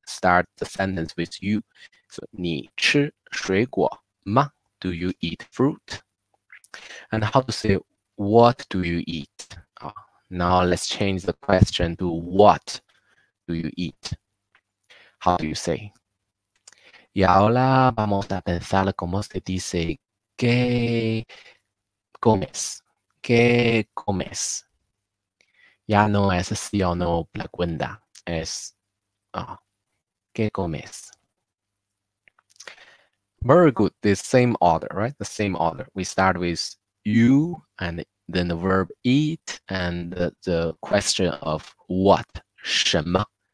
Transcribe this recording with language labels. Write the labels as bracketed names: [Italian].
[English] Start the sentence with you. So, [Chinese] 你吃水果吗? [English] Do you eat fruit? And how to say, what do you eat? Now let's change the question to what do you eat? How do you say? [Spanish] Y ahora vamos a pensar cómo se dice, ¿qué comes? ¿Qué comes? Ya no es sí o no la cuenta, es ¿qué comes? [English] Very good, the same order, right? The same order. We start with you and then the verb eat and the question of what, 什么?